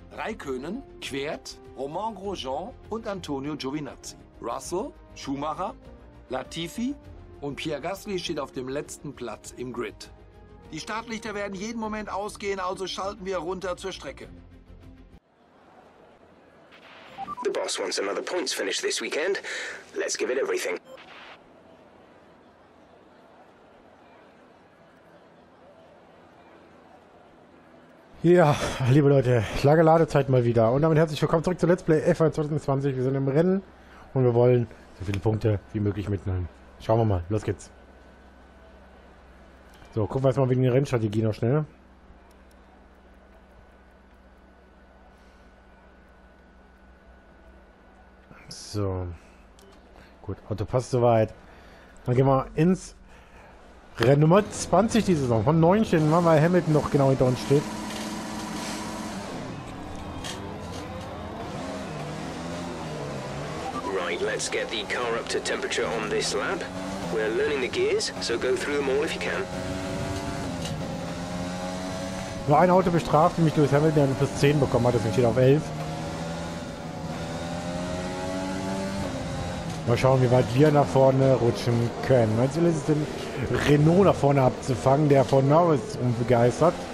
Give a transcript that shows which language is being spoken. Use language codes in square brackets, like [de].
[de] Raikkonen, Kvyat, Romain Grosjean und Antonio Giovinazzi. Russell, Schumacher, Latifi und Pierre Gasly steht auf dem letzten Platz im Grid. Die Startlichter werden jeden Moment ausgehen, also schalten wir runter zur Strecke. [en] The boss wants another points finish this weekend. Let's give it everything. [de] Ja, liebe Leute, lange Ladezeit mal wieder. Und damit herzlich willkommen zurück zu Let's Play F1 2020. Wir sind im Rennen und wir wollen so viele Punkte wie möglich mitnehmen. Schauen wir mal, los geht's. So, gucken wir jetzt mal wegen der Rennstrategie noch schnell. So. Gut, Auto passt soweit. Dann gehen wir ins Rennen Nummer 20 diese Saison. Von 19, weil Hamilton noch genau hinter uns steht. [en] Let's get the car up to temperature on this lap. We're learning the gears, so go through them all if you can. [de] Nur ein Auto bestraft, nämlich Lewis Hamilton, der einen plus 10 bekommen hat, deswegen steht auf 11. Mal schauen, wie weit wir nach vorne rutschen können. Mein Ziel ist es, den Renault nach vorne abzufangen, der von Norris begeistert.